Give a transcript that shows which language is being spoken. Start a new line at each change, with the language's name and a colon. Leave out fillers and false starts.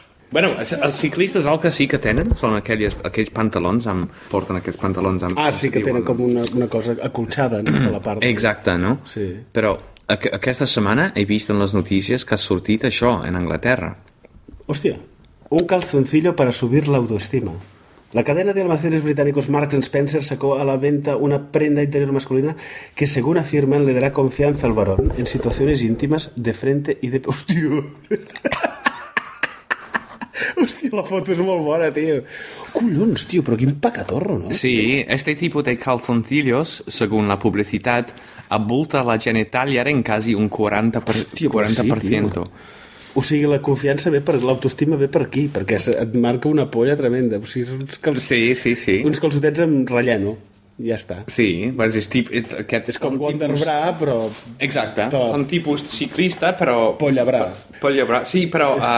Catalan: Bueno, els ciclistes el que sí que tenen són aquells pantalons amb, porten aquests pantalons amb... Ah, sí, que tenen com una cosa acolxada, no? De la part... Exacte, no? Sí. Però... Aquesta setmana he vist en les notícies que ha sortit això en Anglaterra.
Spanish: Hòstia, un calzoncillo para subir la autoestima. La cadena de almacenes británicos Marks & Spencer sacó a la venta una prenda interior masculina que, según afirman, le dará confianza al varón en situaciones íntimas de frente y de...
Catalan: Hòstia! Hòstia, la foto és molt bona, tio. Collons, tio, però quin pecatorro, no?
Spanish: Sí, este tipo de calzoncillos, según la publicitat, abulta la genitalia en quasi un 40%.
Catalan: Hòstia, sí, o sigui, la confiança ve per... L'autoestima ve per aquí, perquè et marca una polla tremenda. O sigui, uns sí. Uns calçotets amb relleno. Ja està. Sí, pues és, aquest és com Wonder tipus... Bra, però... Exacte, tot. Són tipus ciclista, però... Polla Bra. Polla Bra, sí, però...